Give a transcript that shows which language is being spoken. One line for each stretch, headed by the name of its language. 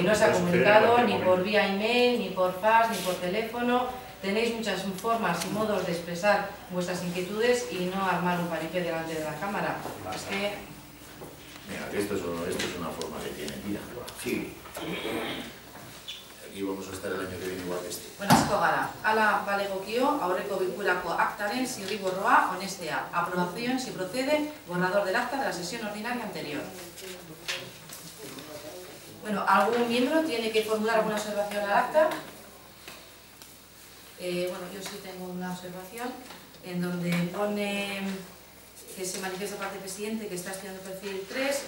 Spanish: Y no se ha comunicado ni por vía email, ni por fax, ni por teléfono. Tenéis muchas formas y modos de expresar vuestras inquietudes y no armar un paripé delante de la cámara. Es que... Mira, esto es una forma que tiene. Mira, aquí. Aquí vamos a estar el año que viene igual que este.
Basque: Bueno, asko gara. Ala balegokio, aurreko bilkurako aktaren zirriborroa onestea.
Spanish: Aprobación, si procede, borrador del acta de la sesión ordinaria anterior. Bueno, ¿algún miembro tiene que formular alguna observación al acta? Bueno, yo sí tengo una observación en donde pone que se manifiesta parte presidente que está estudiando perfil 3.